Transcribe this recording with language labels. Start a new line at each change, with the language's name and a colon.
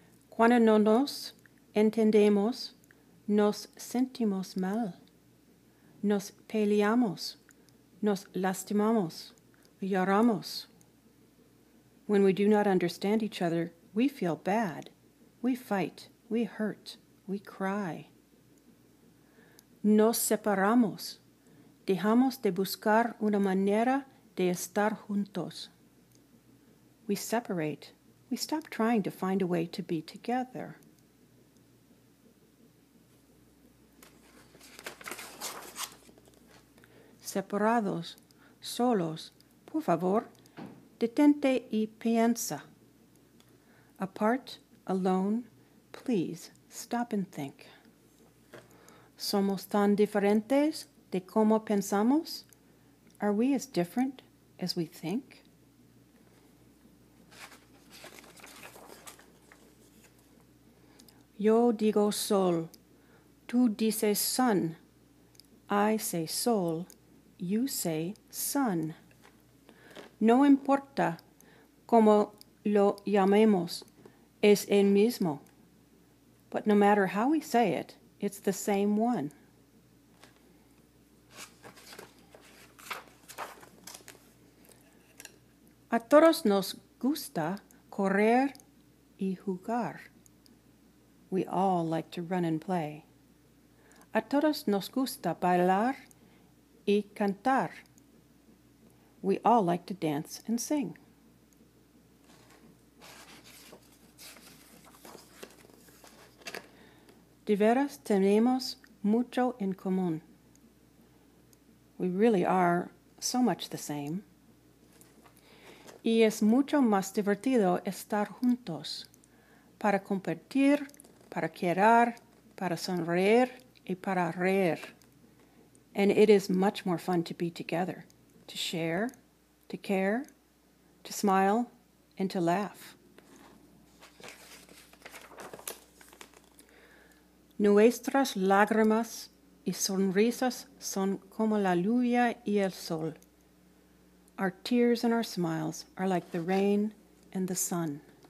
Spanish: Cuando no nos entendemos, nos sentimos mal. Nos peleamos, nos lastimamos, lloramos.
English: When we do not understand each other, we feel bad, we fight, we hurt, we cry.
Spanish: Nos separamos, dejamos de buscar una manera de estar juntos.
English: We separate, We stop trying to find a way to be together.
Spanish: Separados, solos, por favor, detente y piensa.
English: Apart, alone, please, stop and think.
Spanish: Somos tan diferentes de como pensamos?
English: Are we as different as we think?
Spanish: Yo digo sol, tú dices sun,
English: I say sol, you say sun.
Spanish: No importa cómo lo llamemos, es el mismo.
English: But no matter how we say it, it's the same one.
Spanish: A todos nos gusta correr y jugar.
English: We all like to run and play.
Spanish: A todos nos gusta bailar y cantar.
English: We all like to dance and sing.
Spanish: De veras tenemos mucho en común.
English: We really are so much the same.
Spanish: Y es mucho más divertido estar juntos para compartir, para quedar, para sonreír y para reír.
English: And it is much more fun to be together, to share, to care, to smile, and to laugh.
Spanish: Nuestras lágrimas y sonrisas son como la lluvia y el sol.
English: Our tears and our smiles are like the rain and the sun.